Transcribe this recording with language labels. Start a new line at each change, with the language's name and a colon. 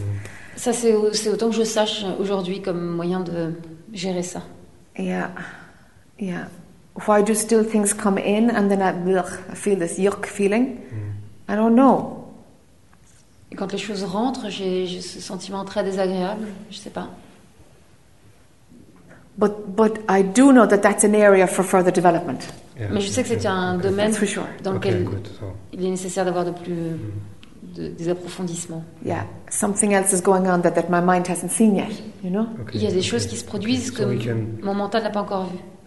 French: Mm. Ça, c'est autant que je sache aujourd'hui comme moyen de gérer ça.
English: Yeah, yeah. Why do still things come in and then I feel this yuck feeling? Mm. I don't know.
French: Et quand les choses rentrent, j'ai ce sentiment très désagréable. Je sais pas.
English: But I do know that that's an area for further development. Yeah,
French: mais je sais que c'est un domaine
English: for sure.
French: Dans lequel il est nécessaire d'avoir de plus... Mm. Des approfondissements.
English: Yeah, something else is going on that my mind hasn't seen yet, you know?
French: Okay, il y a des choses qui se produisent que mon mental n'a pas encore vu.